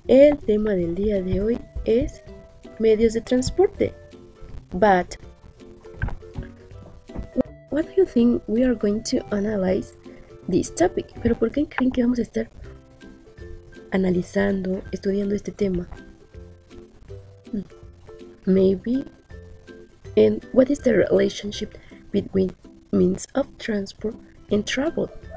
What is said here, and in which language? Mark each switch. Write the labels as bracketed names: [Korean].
[Spanish] El tema del día de hoy es medios de transporte. [English] But what do you think we are going to analyze this topic? [Spanish] ¿Pero por qué creen que vamos a estar analizando, estudiando este tema? [English] Maybe. And what is the relationship between means of transport and travel?